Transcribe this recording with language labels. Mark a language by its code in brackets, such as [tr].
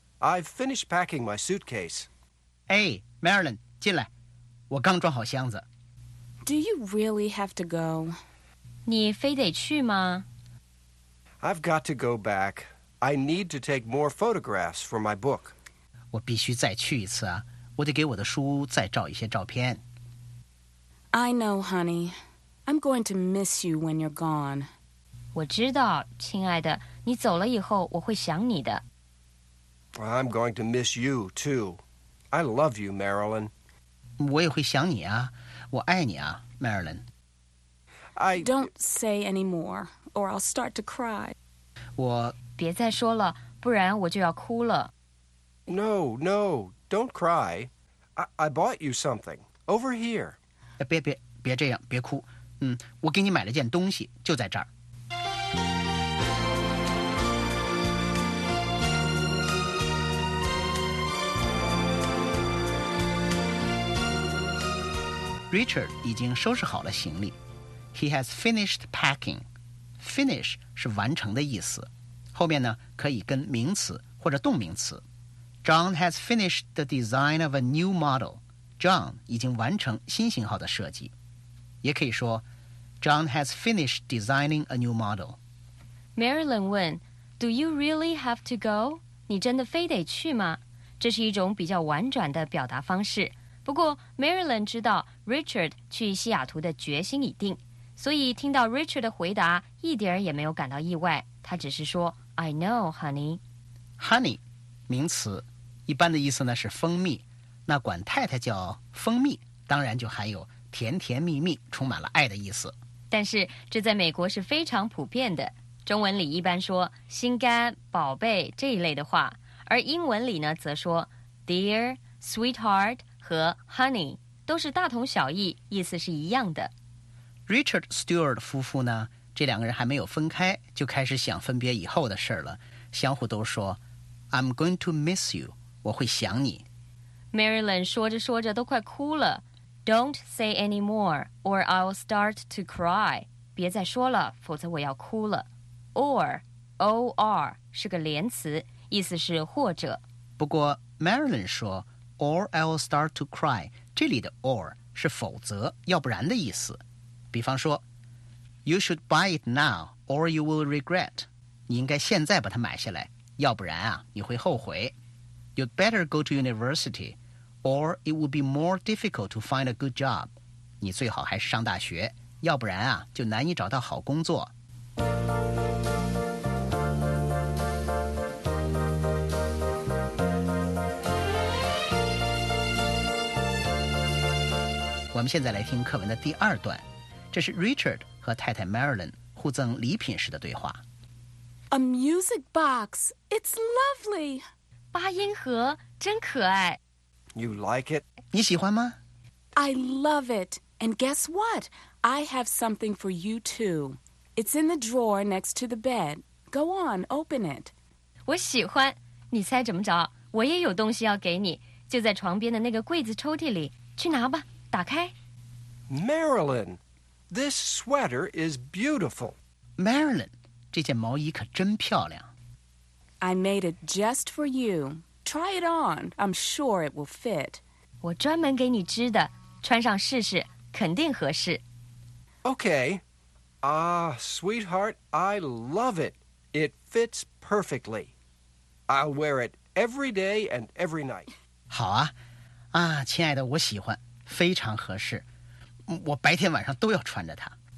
[en] I've finished packing my suitcase. [zh] Hey, Marilyn, 进来。我刚装好箱子。 [en] Do you really have to go? [zh] 你非得去吗？ [en] I've got to go back. I need to take more photographs for my book. [zh] 我必须再去一次啊，我得给我的书再照一些照片。 [en] I know, honey. I'm going to miss you when you're gone. [zh] 我知道，亲爱的，你走了以后我会想你的。 [en] I'm going to miss you, too. I love you, Marilyn. [zh] 我也会想你啊，我爱你啊，Marilyn. [en] I... Don't say any more. Or I'll start to cry. [zh] 我别再说了，不然我就要哭了。 [en] No, no, don't cry. I bought you something over here. [zh] 别这样，别哭。我给你买了件东西，就在这儿。 Richard 已经收拾好了行李。 [en] He has finished packing. [zh] Finish 是完成的意思，后面呢可以跟名词或者动名词。 [en] John has finished the design of a new model. John [zh] 已经完成新型号的设计，也可以说 [en] John has finished designing a new model. Marilyn 问 Do you really have to go? [zh] 你真的非得去吗？这是一种比较婉转的表达方式。不过 Marilyn 知道 Richard 去西雅图的决心已定，所以听到 Richard 的回答一点儿也没有感到意外，他只是说 [en] I know, honey. [zh] Honey, 名词，一般的意思呢是蜂蜜，那管太太叫蜂蜜，当然就含有甜甜蜜蜜，充满了爱的意思。但是这在美国是非常普遍的，中文里一般说心肝、宝贝这一类的话，而英文里呢则说 dear, sweetheart 和 honey 都是大同小异，意思是一样的。 Richard Stewart 夫妇呢，这两个人还没有分开就开始想分别以后的事了，相互都说 [en] I'm going to miss you, [zh] 我会想你。 Marilyn 说着说着都快哭了， [en] Don't say any more or I'll start to cry, [zh] 别再说了，否则我要哭了。 or 是个连词，意思是或者。不过 Marilyn 说 [en] or I'll start to cry, [zh] 这里的 or 是否则要不然的意思，比方说 [en] You should buy it now or you will regret. [zh] 你应该现在把它买下来，要不然啊你会后悔。 [en] You'd better go to university or it would be more difficult to find a good job. [zh] 你最好还是上大学，要不然啊就难以找到好工作。我们现在来听课文的第二段，这是 Richard 和太太 Marilyn 互赠礼品时的对话。 [en] A music box, it's lovely. [zh] 八音盒真可爱。 [en] You like it? [zh] 你喜欢吗？ [en] I love it. And guess what? I have something for you too. It's in the drawer next to the bed. Go on, open it. [zh] 我喜欢，你猜怎么着？我也有东西要给你，就在床边的那个柜子抽屉里，去拿吧，打开。 [en] Marilyn! This sweater is beautiful. [zh] Marilyn, 这件毛衣可真漂亮。 [en] I made it just for you. Try it on. I'm sure it will fit. [zh] 我专门给你织的，穿上试试，肯定合适。 [en] Okay. Ah, sweetheart, I love it. It fits perfectly. I'll wear it every day and every night. [zh] 好啊。啊，亲爱的，我喜欢，非常合适。我白天晚上都要穿着它。